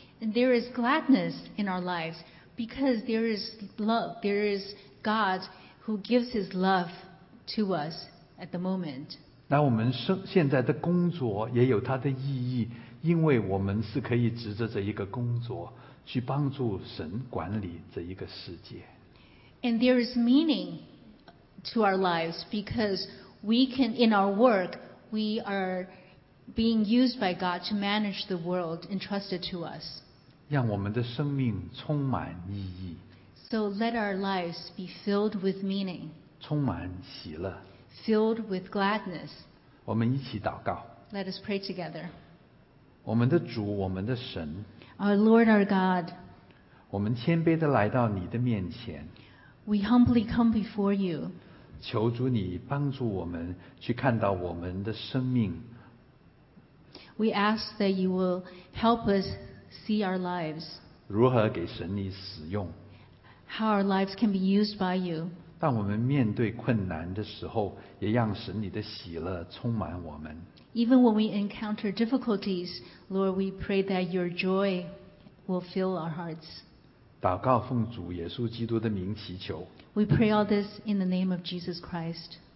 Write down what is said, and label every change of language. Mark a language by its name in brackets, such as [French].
[English] And there is gladness in our lives because there is love. There is God who gives His love to us at the moment. [Chinese] 那我们现在的工作也有它的意义，因为我们是可以执着这一个工作去帮助神管理这一个世界。 [English] And there is meaning to our lives because we can, in our work, we are being used by God to manage the world entrusted to us. [Chinese] 让我们的生命充满意义。 [English] So let our lives be filled with meaning. [Chinese] 充满喜乐。 [English] Filled with gladness. [Chinese] 我们一起祷告。 [English] Let us pray together. [Chinese] 我们的主，我们的神。 [English] Our Lord, our God. [Chinese] 我们谦卑地来到你的面前。 [English] We humbly come before you. [Chinese] 求主你帮助我们去看到我们的生命。 [English] We ask that you will help us see our lives. [Chinese] 如何给神你使用。 [English] How our lives can be used by you. [Chinese] 当我们面对困难的时候，也让神你的喜乐充满我们。 [English] Even when we encounter difficulties, Lord, we pray that your joy will fill our hearts. [Chinese] 祷告奉主耶稣基督的名祈求。 [English] We pray all this in the name of Jesus Christ.